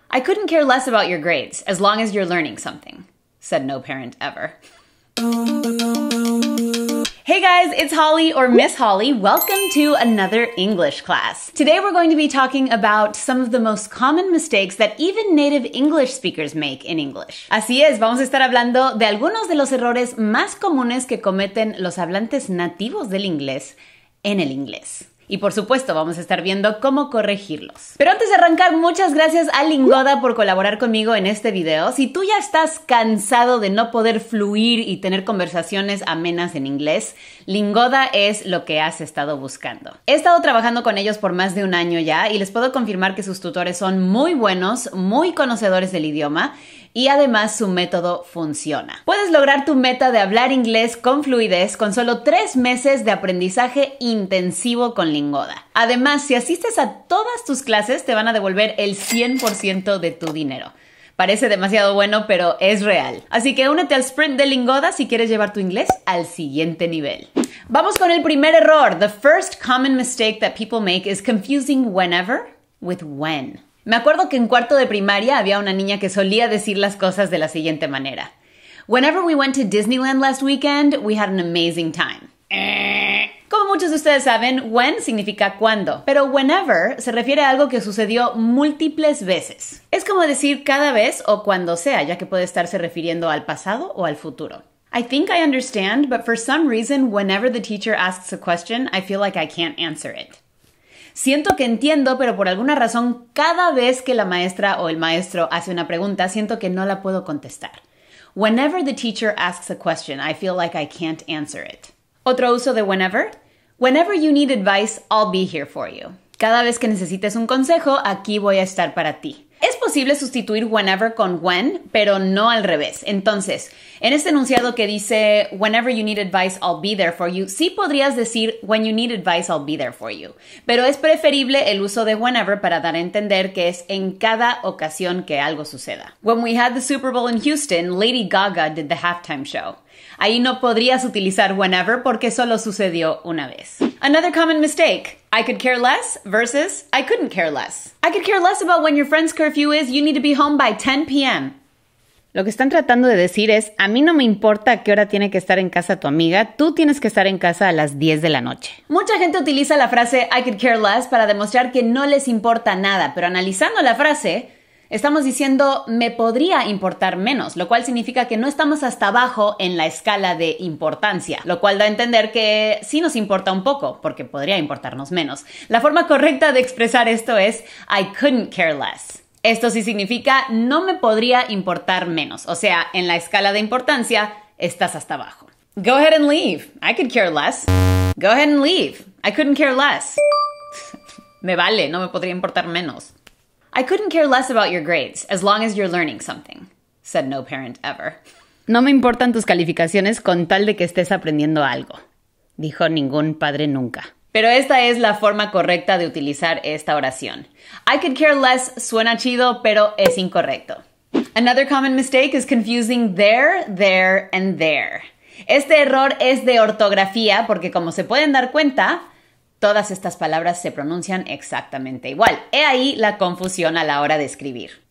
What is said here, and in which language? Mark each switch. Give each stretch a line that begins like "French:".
English: I couldn't care less about your grades, as long as you're learning something, said no parent ever. Hey guys, it's Holly, or Miss Holly. Welcome to another English class. Today we're going to be talking about some of the most common mistakes that even native English speakers make in English.
Spanish: Así es, vamos a estar hablando de algunos de los errores más comunes que cometen los hablantes nativos del inglés en el inglés. Y por supuesto, vamos a estar viendo cómo corregirlos. Pero antes de arrancar, muchas gracias a Lingoda por colaborar conmigo en este video. Si tú ya estás cansado de no poder fluir y tener conversaciones amenas en inglés, Lingoda es lo que has estado buscando. He estado trabajando con ellos por más de un año ya y les puedo confirmar que sus tutores son muy buenos, muy conocedores del idioma y además su método funciona. Puedes lograr tu meta de hablar inglés con fluidez con solo 3 meses de aprendizaje intensivo con Lingoda. Además, si asistes a todas tus clases, te van a devolver el 100% de tu dinero. Parece demasiado bueno, pero es real. Así que únete al sprint de Lingoda si quieres llevar tu inglés al siguiente nivel. Vamos con el primer error.
English: The first common mistake that people make is confusing whenever with when.
Spanish: Me acuerdo que en cuarto de primaria había una niña que solía decir las cosas de la siguiente manera.
English: Whenever we went to Disneyland last weekend, we had an amazing time.
Spanish: Como muchos de ustedes saben, when significa cuando, pero whenever se refiere a algo que sucedió múltiples veces. Es como decir cada vez o cuando sea, ya que puede estarse refiriendo al pasado o al futuro.
English: I think I understand, but for some reason, whenever the teacher asks a question, I feel like I can't answer it.
Spanish: Siento que entiendo, pero por alguna razón, cada vez que la maestra o el maestro hace una pregunta, siento que no la puedo contestar.
English: Whenever the teacher asks a question, I feel like I can't answer it.
Spanish: Otro uso de whenever.
English: Whenever you need advice, I'll be here for you.
Spanish: Cada vez que necesites un consejo, aquí voy a estar para ti. Es posible sustituir whenever con when, pero no al revés. Entonces, en este enunciado que dice
English: whenever you need advice, I'll be there for you,
Spanish: sí podrías decir
English: when you need advice, I'll be there for you.
Spanish: Pero es preferible el uso de whenever para dar a entender que es en cada ocasión que algo suceda.
English: When we had the Super Bowl in Houston, Lady Gaga did the halftime show.
Spanish: Ahí no podrías utilizar whenever porque solo sucedió una vez.
English: Another common mistake. I could care less versus I couldn't care less. I could care less about when your friend's curfew is. You need to be home by 10 p.m.
Spanish: Lo que están tratando de decir es, a mí no me importa a qué hora tiene que estar en casa tu amiga, tú tienes que estar en casa a las 10 de la noche. Mucha gente utiliza la frase
English: I could care less
Spanish: para demostrar que no les importa nada, pero analizando la frase, estamos diciendo me podría importar menos, lo cual significa que no estamos hasta abajo en la escala de importancia, lo cual da a entender que sí nos importa un poco, porque podría importarnos menos. La forma correcta de expresar esto es
English: I couldn't care less.
Spanish: Esto sí significa no me podría importar menos, o sea, en la escala de importancia estás hasta abajo.
English: Go ahead and leave. I could care less. Go ahead and leave. I couldn't care less.
Spanish: Me vale, no me podría importar menos.
English: I couldn't care less about your grades, as long as you're learning something, said no parent ever.
Spanish: No me importan tus calificaciones con tal de que estés aprendiendo algo, dijo ningún padre nunca. Pero esta es la forma correcta de utilizar esta oración.
English: I could care less
Spanish: suena chido, pero es incorrecto.
English: Another common mistake is confusing there, and there.
Spanish: Este error es de ortografía porque, como se pueden dar cuenta, todas estas palabras se pronuncian exactamente igual. He ahí la confusión a la hora de escribir.